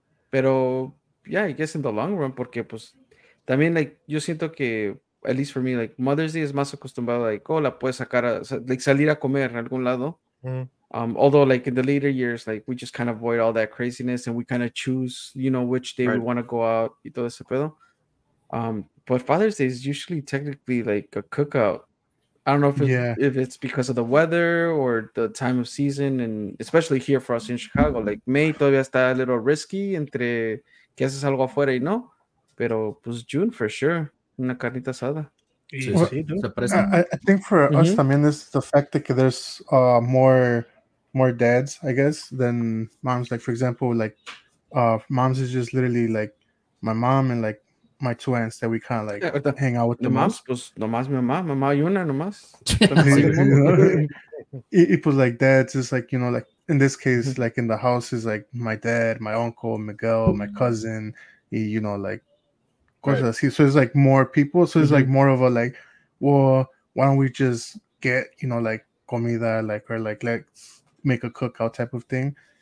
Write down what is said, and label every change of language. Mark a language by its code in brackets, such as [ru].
[en] Pero, yeah, I guess in the long run, [es] porque, pues, también, [en] like, [es] yo siento que, [en] at least for me, like, Mother's Day is [es] más acostumbrado, [en] like, oh, [es] la puedes sacar, a, [en] like, [es] salir a comer en algún lado. Mm. [en] Although, like, in the later years, like, we just kind of avoid all that craziness and we kind of choose, you know, which day we want to go out [es] y todo ese pedo. [en] But Father's Day is usually technically, like, a cookout. I don't know if it's, if it's because of the weather or the time of season, and especially here for us in Chicago, like May [es] todavía está [en] a little risky [es] entre que haces algo afuera y no, pero pues [en] June for sure, [es] una carnita asada. [en] I think for us también is the fact that there's more dads, I guess, than moms. Like, for example, like moms is just literally like my mom and like my two aunts that we kind of like hang out with the moms. [es] Pues nomás mi mamá, mamá y una nomás. [en] It was like dads is like, you know, like in this case, like in the house is like my dad, my uncle, Miguel, my cousin, you know, like, so it's like more people. So it's like more of a like, well, why don't we just get, you know, like comida, like, or like, let's make a cookout type of thing.